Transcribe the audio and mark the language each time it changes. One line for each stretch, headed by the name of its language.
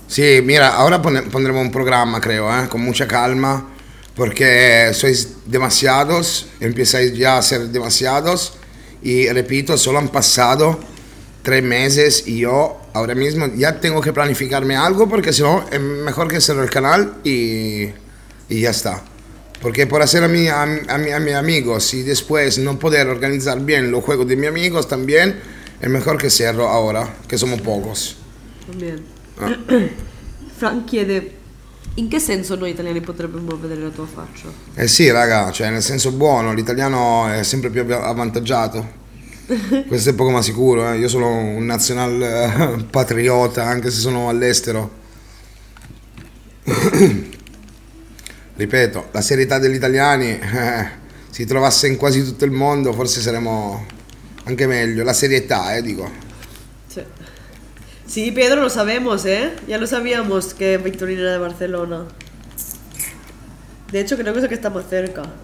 Spanish: Sí, mira, ahora pondremos un programa, creo, con mucha calma, porque sois demasiados, empezáis ya a ser demasiados, y repito, solo han pasado 3 meses y yo ahora mismo ya tengo que planificarme algo, porque si no, es mejor que cerro el canal y ya está. Porque por hacer a mi amigo, si después no poder organizar bien los juegos de mis amigos también, es mejor que cierro ahora, que somos pocos. También.
Italian: Frank chiede, in che senso noi italiani potremmo vedere la tua faccia? Eh sì raga, cioè nel senso buono, l'italiano è sempre più avvantaggiato. Questo è poco ma sicuro, io sono un nazional patriota anche se sono all'estero. Ripeto, la serietà degli italiani si trovasse in quasi tutto il mondo forse saremmo anche meglio. La serietà, dico.
Spanish: Sí, Pedro, lo sabemos, ¿eh? Ya lo sabíamos que Victorino era de Barcelona. De hecho, creo que es el que está más cerca.